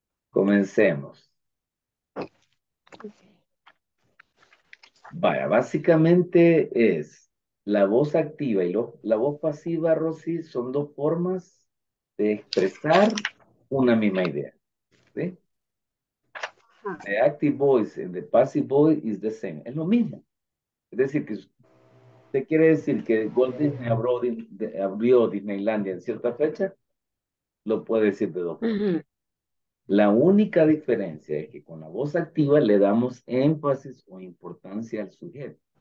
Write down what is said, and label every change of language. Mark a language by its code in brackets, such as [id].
[es] Comencemos. Vaya, básicamente es la voz activa y la voz pasiva, Rosy, son dos formas de expresar una misma idea. ¿Sí? [en] The active voice and the passive voice is the same. [es] Es lo mismo. Es decir, que usted quiere decir que Walt Disney abrió Disneylandia en cierta fecha, lo puede decir de dos formas. Uh-huh. La única diferencia es que con la voz activa le damos énfasis o importancia al sujeto.